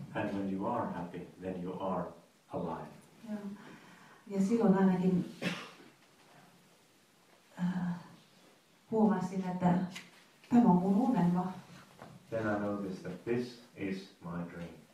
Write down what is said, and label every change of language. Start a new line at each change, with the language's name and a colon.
English: And when you are happy, then you are alive.
Finnish: Ja silloin ainakin huomasin, että... Tämä on mun unelma.
English: Then I noticed that this is my dream.